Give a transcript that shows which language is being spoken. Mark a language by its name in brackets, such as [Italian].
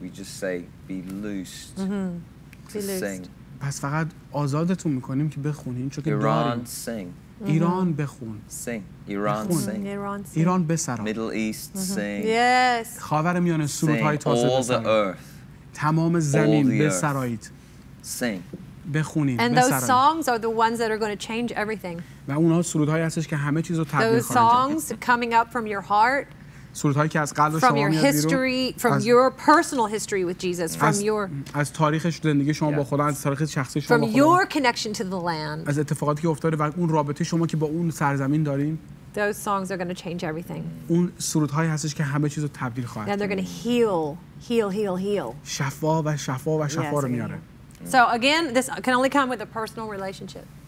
[English] We just say be loosed. Sing. [Persian] پس فقط آزادتون میکنیم که بخونین چون که [English] ایران سینگ. [Persian] ایران بخون. [English] Sing. ایران sing. [Persian] ایران بسرام. [English] Middle East sing. Yes. [Persian] خاورمیانه سرودهای تازه بسرایید. تمام زمین بسرایید. Sing. بخونید [English] and those songs are the ones that are going to change everything. [Persian] و اونها سرودهایی هستش که همه چیزو تغییر خواهند داد. [English] Those songs coming up from your heart [Persian] سرودهایی که از قلب شما میاد بیرون [English] from your personal history with Jesus from your [Persian] از تاریخ زندگی شما با خدا از تاریخ شخصی شما [English] from your connection to the land [Persian] از اتفاقاتی که افتاده و اون رابطه شما که با اون سرزمین دارین [English] those songs are going to change everything [Persian] اون سرودهایی هستش که همه چیزو تبدیل خواهد کرد [English] and they're going to heal [Persian] شفا و شفا و شفا رو میاره [English] so again this can only come with a personal relationship